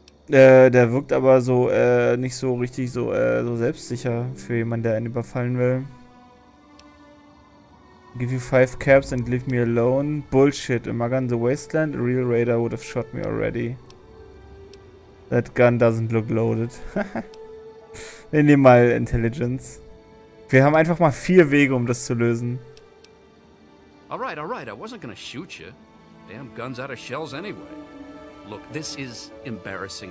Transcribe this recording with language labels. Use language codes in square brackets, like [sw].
[de] Der wirkt aber so, nicht so richtig so, so selbstsicher für jemanden, der einen überfallen will. [en] Give you 5 caps and leave me alone. Bullshit, a mug on the wasteland, a real raider would have shot me already. That gun doesn't look loaded. [de] Wir nehmen mal Intelligence. Wir haben einfach mal 4 Wege, um das zu lösen. [en] Alright, alright, I wasn't gonna shoot you. Damn gun's out of shells anyway. Look, this is embarrassing.